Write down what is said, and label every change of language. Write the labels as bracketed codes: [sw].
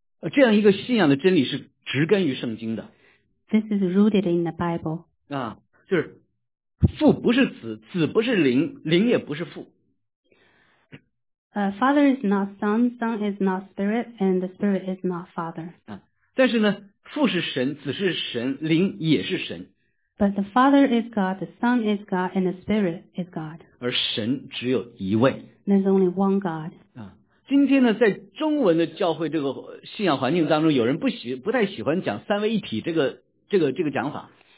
[zh] 这样一个信仰的真理是植根于圣经的。 [en] This is rooted in the Bible. [zh] 就是父不是子子不是灵灵也不是父。 [en] Father is not son, son is not spirit, and the spirit is not father. [zh] 但是呢父是神，子是神，灵也是神。 [en] But the Father is God, the Son is God, and the Spirit is God. [zh] 而神只有一位。 [en] There's only one God. [zh] 啊，今天呢，在中文的教会这个信仰环境当中，有人不太喜欢讲三位一体这个讲法。